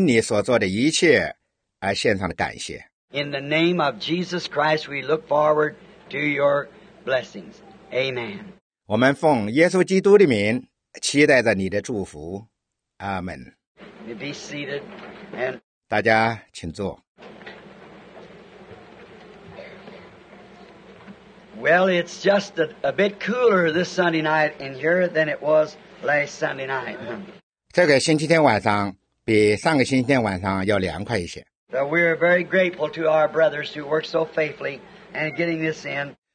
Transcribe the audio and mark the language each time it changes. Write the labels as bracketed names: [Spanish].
[Chinese] 我们祈求你会接受我们因你所做的一切而献上的感谢。 [English] In the name of Jesus Christ, we look forward to your blessings. Amen. [Chinese] 我们奉耶稣基督的名期待着你的祝福。Amen. [English] You be seated. And [Chinese] 大家请坐。 [English] Well, it's just a bit cooler this Sunday night in here than it was last Sunday night. [Chinese] 这个星期天晚上比上个星期天晚上要凉快一些。 [English] But we are very grateful to our brothers who worked so faithfully and getting this in.